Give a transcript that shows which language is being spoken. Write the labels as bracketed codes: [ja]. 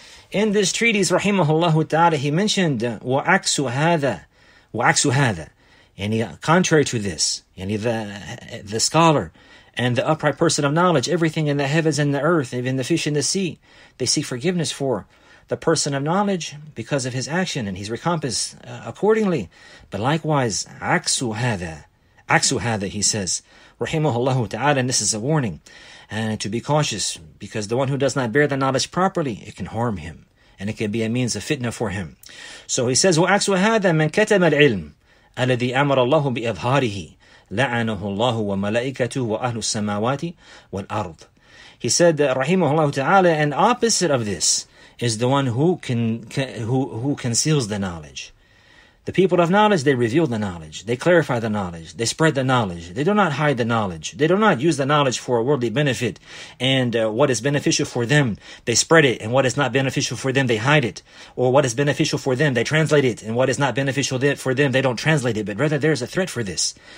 [en] In this treatise, rahimahullahu ta'ala, he mentioned wa aksu hadha, and contrary to this, and the scholar and the upright person of knowledge, everything in the heavens and the earth, even the fish in the sea, they seek forgiveness for the person of knowledge because of his action, and he's recompensed accordingly. But likewise, aksu hadha, he says, rahimahullahu ta'ala, and this is a warning. And to be cautious, because the one who does not bear the knowledge properly, it can harm him, and it can be a means of fitna for him. So he says, [ar] وَأَكْسُ هَذَا مَنْ كَتَمَ الْعِلْمِ الَّذِي أَمَرَ اللَّهُ بِأَظْهَارِهِ لَعَنَهُ اللَّهُ وَمَلَائِكَتُهُ وَأَهْلُ السَّمَاوَاتِ وَالْأَرْضِ. [en] He said, [ar] رَحِمَهُ اللَّهُ تَعَالَى, [en] and opposite of this is the one who conceals the knowledge. The people of knowledge, they reveal the knowledge, they clarify the knowledge, they spread the knowledge, they do not hide the knowledge, they do not use the knowledge for a worldly benefit, and what is beneficial for them, they spread it, and what is not beneficial for them, they hide it, or what is beneficial for them, they translate it, and what is not beneficial for them, they don't translate it, but rather there is a threat for this.